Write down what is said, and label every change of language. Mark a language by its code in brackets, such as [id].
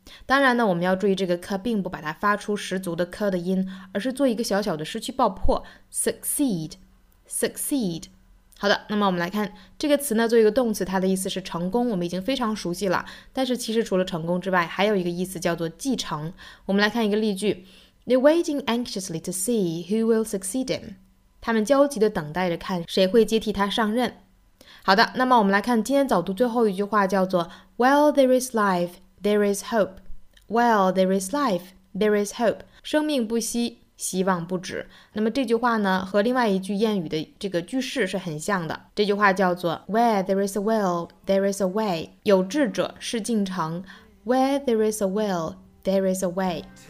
[zh] 当然呢我们要注意这个 k 并不把它发出十足的 k 的音而是做一个小小的失去爆破 succeed succeed 好的，那么我们来看这个词呢，作为一个动词，它的意思是成功，我们已经非常熟悉了。但是其实除了成功之外，还有一个意思叫做继承。我们来看一个例句 [en] ：They're waiting anxiously to see who will succeed him. [zh] 他们焦急地等待着看谁会接替他上任。好的，那么我们来看今天早读最后一句话，叫做 [en] While there is life, there is hope. While there is life, there is hope. [zh] 生命不息，希望不止。那么这句话呢，和另外一句谚语的这个句式是很像的。这句话叫做 [en] Where there is a will, there is a way. [zh] 有志者事竟成。 [en] Where there is a will, there is a way.